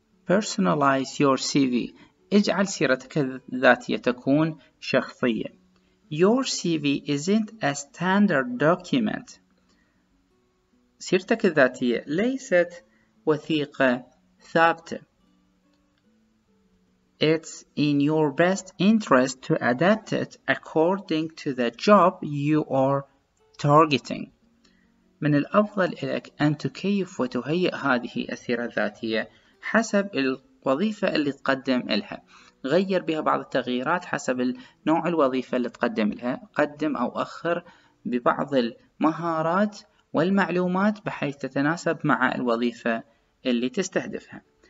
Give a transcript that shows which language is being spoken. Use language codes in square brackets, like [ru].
[en] Personalize your CV. [ar] اجعل سيرتك الذاتية تكون شخصية. [en] Your CV isn't a standard document. [ar] سيرتك الذاتية ليست وثيقة ثابتة. [en] It's in your best interest to adapt it according to the job you are targeting. [ar] من الأفضل إليك أن تكيف وتهيئ هذه السيرة الذاتية حسب الوظيفة اللي تقدم لها. غير بها بعض التغييرات حسب نوع الوظيفة اللي تقدم لها. قدم أو أخر ببعض المهارات والمعلومات بحيث تتناسب مع الوظيفة اللي تستهدفها.